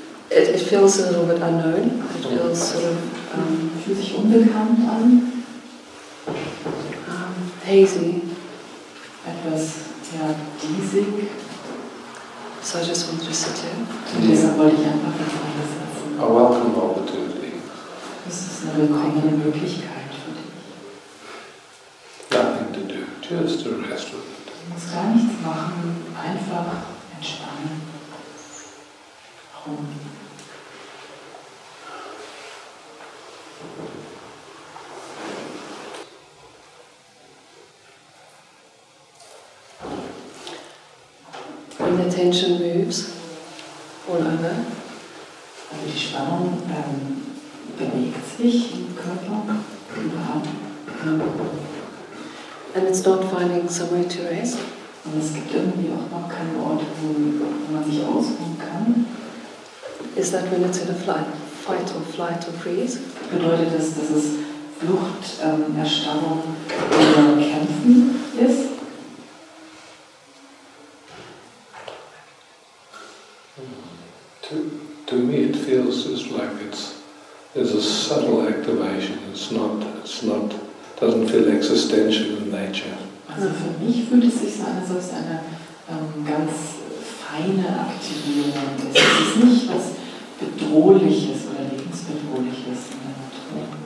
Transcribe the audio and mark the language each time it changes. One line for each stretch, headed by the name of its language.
English: It feels a little bit unknown. It feels sort of
German: fühlt sich unbekannt an.
English: Hazy.
German: Etwas, ja, diesig.
English: So I just wanted to sit here.
German: Und deshalb wollte ich einfach das alles lassen.
English: A welcome opportunity.
German: Das ist eine willkommene Möglichkeit für dich.
English: Nothing to do, just to rest with it.
German: Du musst gar nichts machen, einfach entspannen. Ruhen.
English: When the tension moves all over,
German: also die Spannung bewegt sich im Körper überall.
English: And it's not finding somewhere to rest.
German: Und es gibt irgendwie auch noch keinen Ort, wo man sich ausruhen kann.
English: Is that when it's in a fight or flight or freeze?
German: Bedeutet das, dass es Flucht, Erstarrung oder Kämpfen ist?
English: To me, it feels just like there's a subtle activation. It's not, doesn't feel existential in nature.
German: Also für mich fühlt es sich so an, als ob es eine ganz feine Aktivierung ist. Es ist nicht was Bedrohliches oder Lebensbedrohliches in der Natur.